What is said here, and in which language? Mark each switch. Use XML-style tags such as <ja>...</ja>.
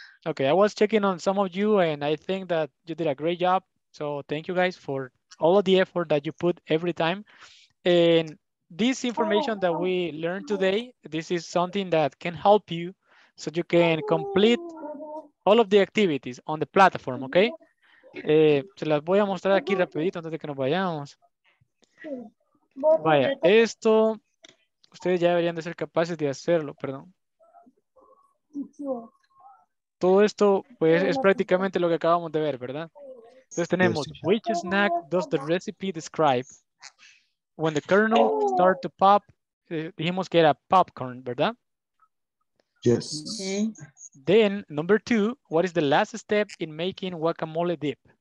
<en>Okay, I was checking on some of you and I think that you did a great job. So thank you guys for all of the effort that you put every time. And this information that we learned today, this is something that can help you so you can complete all of the activities on the platform, okay?</en> <es>Se las voy a mostrar aquí rapidito antes de que nos vayamos. Vaya, esto, ustedes ya deberían de ser capaces de hacerlo, perdón. Todo esto pues es prácticamente lo que acabamos de ver, ¿verdad? Entonces tenemos,</es> <en>which snack does the recipe describe? When the kernel start to pop,</en> <es>dijimos que era popcorn, ¿verdad?</es> <en>Yes. Okay. Then, number two, what is the last step in making guacamole dip?</en>